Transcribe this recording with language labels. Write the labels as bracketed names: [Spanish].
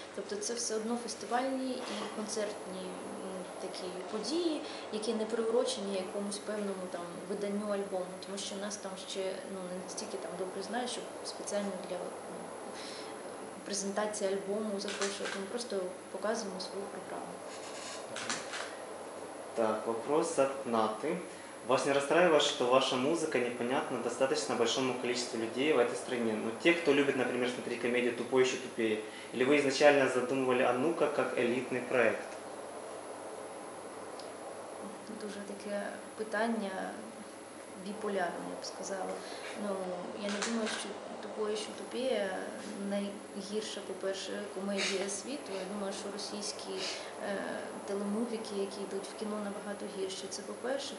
[Ukrainian] Тобто це все одно фестивальні і концертні такі події, які не приурочені якомусь певному там виданню альбому, тому що нас там ще не настільки там добре знають, щоб спеціально для презентації альбому запрошувати. Ми просто показуємо свою програму. [Russian] Так, вопрос от Наты. Вас не расстраивает, что ваша музыка непонятна достаточно большому количеству людей в этой стране? Но те, кто любит, например, смотреть комедию «Тупой еще тупее», или вы изначально задумывали «А ну-ка» как элитный проект? [Ukrainian] Дуже таке питання біполярне, я б сказала. Я не думаю, що «Тупой еще тупее» найгірша, по-перше, комедія світу. Я думаю, що російські телемувіки, які йдуть в кіно, набагато гірше. Це по-перше.